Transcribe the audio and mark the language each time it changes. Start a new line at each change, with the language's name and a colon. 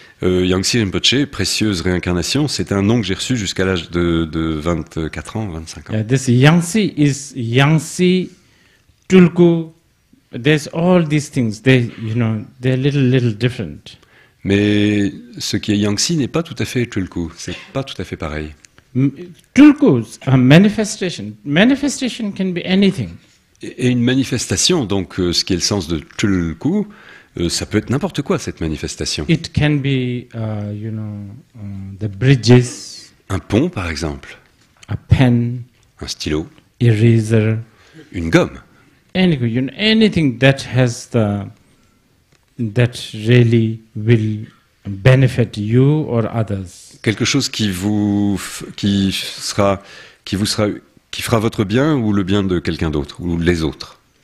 French: Yangtze Rinpoche, précieuse réincarnation, c'est un nom que j'ai reçu jusqu'à l'âge de 24 ans, 25 ans.
English: Yeah, this Yangtze is Yangtze, Tulku, there's all these things, they, you know, they're little different.
French: Mais ce qui est Yangtze n'est pas tout à fait Tulku, c'est pas tout à fait pareil.
English: Tulku is a manifestation. Manifestation can be anything.
French: Et une manifestation, donc ce qui est le sens de tulku, ça peut être n'importe quoi cette manifestation.
English: It can be, you know, the bridges.
French: Un pont, par exemple.
English: A pen.
French: Un stylo.
English: Eraser.
French: Une gomme.
English: Anything, you know, anything that has the that really will benefit you or others.
French: Quelque chose qui fera votre bien ou le bien de quelqu'un d'autre ou les autres.